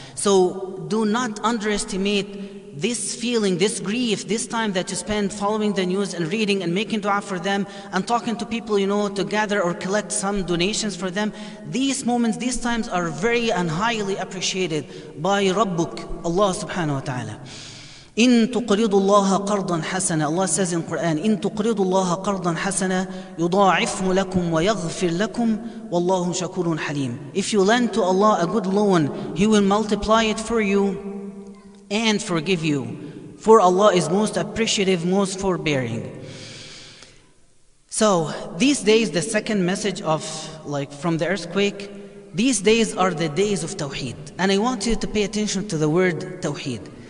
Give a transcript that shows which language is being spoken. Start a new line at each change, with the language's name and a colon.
English: So do not underestimate this feeling, this grief, this time that you spend following the news and reading and making dua for them and talking to people, to gather or collect some donations for them. These moments, these times are very and highly appreciated by Rabbuk, Allah subhanahu wa ta'ala.
Arabic: إن تقرض الله قرضا حسنا,
English: Allah says in Quran,
Arabic: إن تقرض الله قرضا حسنا يضاعف لكم ويغفر لكم والله شكور حليم.
English: If you lend to Allah a good loan, He will multiply it for you and forgive you. For Allah is most appreciative, most forbearing. So these days, the second message of from the earthquake, these days are the days of Tawheed, and I want you to pay attention to the word Tawheed.